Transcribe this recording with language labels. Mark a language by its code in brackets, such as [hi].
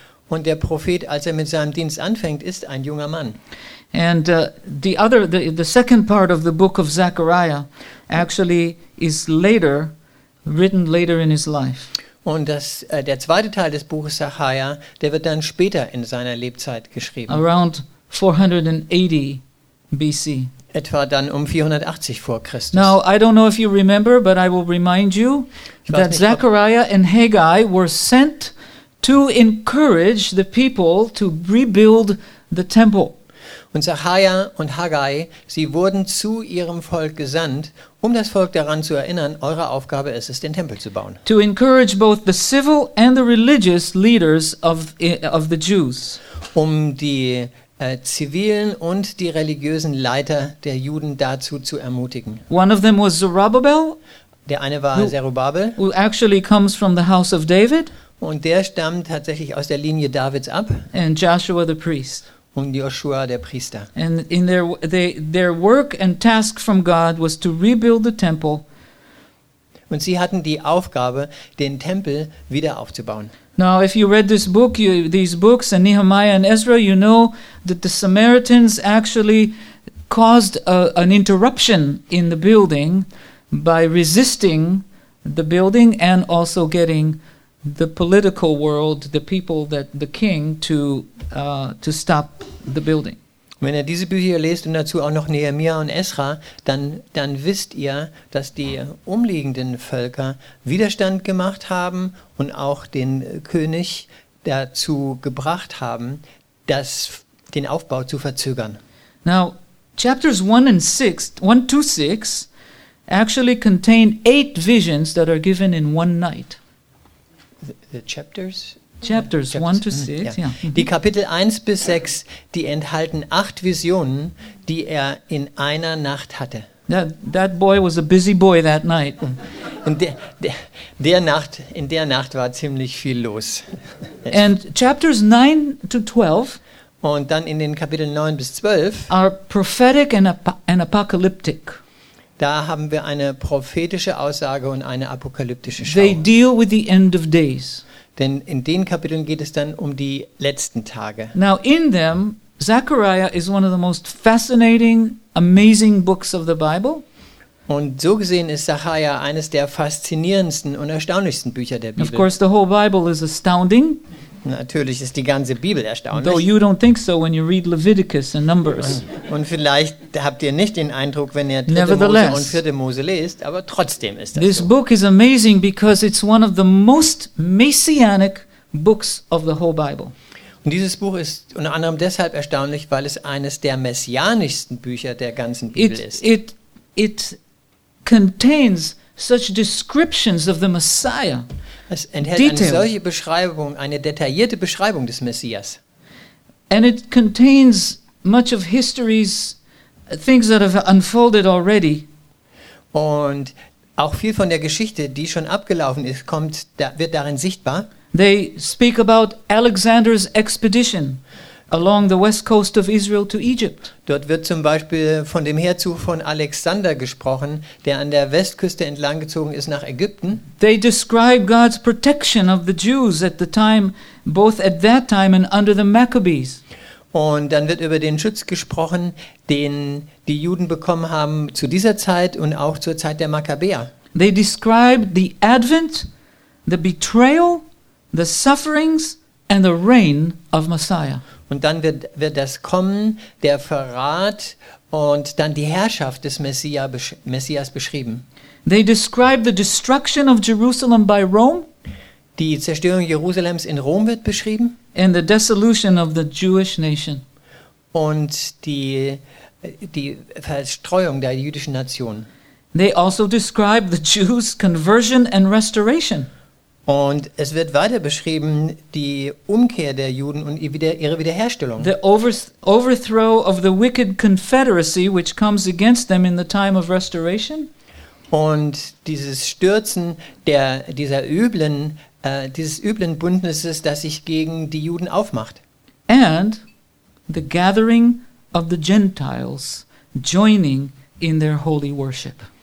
[de] Und der Prophet, als er mit seinem Dienst anfängt, ist ein junger Mann. [en] And the second part of the book of Zechariah actually is later, written later in his life. [de] Und das, der zweite Teil des Buches Zechariah, der wird dann später in seiner Lebzeit geschrieben. [en] Around 480 BC. [de] Etwa dann um 480 vor Christus. [en] Now, I don't know if you remember, but I will remind you that Zechariah and Haggai were sent to encourage the people to rebuild the temple. [de] Und Zechariah und Haggai, sie wurden zu ihrem Volk gesandt, um das Volk daran zu erinnern, eure Aufgabe ist es, den Tempel zu bauen. [en] To encourage both the civil and the religious leaders of the Jews. [de] Um die zivilen und die religiösen Leiter der Juden dazu zu ermutigen. [en] One of them was Zerubbabel. [de] Der eine war Zerubbabel. [en] Who actually comes from the house of David. [de] Und der stammt tatsächlich aus der Linie Davids ab. [en] And Joshua the priest. [de] Und Joshua der Priester. [en] And in their work and task from God was to rebuild the temple. [de] Und sie hatten die Aufgabe, den Tempel wieder aufzubauen. [en] Now, if you read this book, these books, and Nehemiah and Ezra, you know that the Samaritans actually caused an interruption in the building by resisting the building and also getting the political world, the people, that the king, to stop the building. [de] Wenn ihr diese Bücher lest und dazu auch noch Nehemiah und Ezra, dann wisst ihr, dass die umliegenden Völker Widerstand gemacht haben und auch den König dazu gebracht haben, den Aufbau zu verzögern. [en] Now, chapters 1 to 6 actually contain 8 visions that are given in one night. The chapters? Chapters 1 to 6, [de] ja. Die Kapitel 1 bis 6, die enthalten 8 Visionen, die er in einer Nacht hatte. [en] That boy was a busy boy that night. [de] Und der Nacht, in der Nacht war ziemlich viel los. [en] And chapters 9 to 12 [de] und dann in den Kapiteln 9 bis 12 [en] are prophetic and apocalyptic. [de] Da haben wir eine prophetische Aussage und eine apokalyptische Schau. [en] They deal with the end of days. [de] Denn in den Kapiteln geht es dann um die letzten Tage. [en] Now in them, Zechariah is one of the most fascinating, amazing books of the Bible. [de] Und so gesehen ist Zechariah eines der faszinierendsten und erstaunlichsten Bücher der Bibel. [en] Of course, the whole Bible is astounding. [de] Natürlich ist die ganze Bibel erstaunlich. [en] Though you don't think so when you read Leviticus and Numbers. [de] Und vielleicht habt ihr nicht den Eindruck, wenn ihr 3. Mose und 4. Mose lest, aber trotzdem ist das [en] this [de] so. [en] This book is amazing because it's one of the most messianic books of the whole Bible. [de] Und dieses Buch ist unter anderem deshalb erstaunlich, weil es eines der messianischsten Bücher der ganzen Bibel ist. [en] It contains such descriptions of the Messiah. [de] Es enthält [en] detailed. [de] Eine solche Beschreibung, eine detaillierte Beschreibung des Messias. [en] And it contains much of history's things that have unfolded already. [de] Und auch viel von der Geschichte, die schon abgelaufen ist, kommt, da wird darin sichtbar. [en] They speak about Alexander's expedition along the west coast of Israel to Egypt. [de] Dort wird zum Beispiel von dem Heerzug von Alexander gesprochen, der an der Westküste entlanggezogen ist nach Ägypten. [en] They describe God's protection of the Jews at the time, both at that time and under the Maccabees. [de] Und dann wird über den Schutz gesprochen, den die Juden bekommen haben zu dieser Zeit und auch zur Zeit der Makkabäer. [en] They describe the advent, the betrayal, the sufferings and the reign of Messiah. [de] Und dann wird das Kommen, der Verrat und dann die Herrschaft des Messias beschrieben. [en] They describe the destruction of Jerusalem by Rome. [de] Die Zerstörung Jerusalems in Rom wird beschrieben. [en] And the dissolution of the Jewish nation. [de] Und die Verstreuung der jüdischen Nation. [en] They also describe the Jews' conversion and restoration. [de] Und es wird weiter beschrieben, die Umkehr der Juden und ihre Wiederherstellung. [en] The overthrow of the wicked confederacy, which comes against them in the time of restoration. [de] Und dieses Stürzen dieses üblen Bündnisses, das sich gegen die Juden aufmacht. [en] And the gathering of the Gentiles joining in their holy worship.